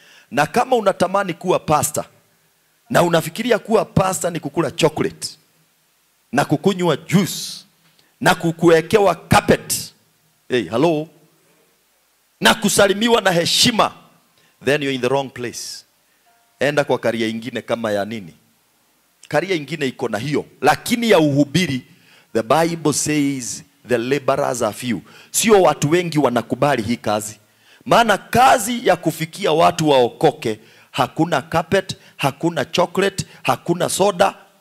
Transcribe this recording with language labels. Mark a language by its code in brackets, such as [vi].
[sw] Na kama unatamani kuwa pastor, na unafikiria kuwa pastor ni kukula chocolate, na kukunywa juice, na kukuekewa carpet. Hey, hello. Na kusalimiwa na heshima. [en] Then you're in the wrong place. [sw] Enda kwa karia ingine kama ya nini. Karia ingine iko na hiyo. Lakini ya uhubiri, [en] the Bible says the laborers are few. [sw] Sio watu wengi wanakubali hii kazi. Maana kazi ya kufikia watu waokoke, hakuna carpet, hakuna chocolate, hakuna soda.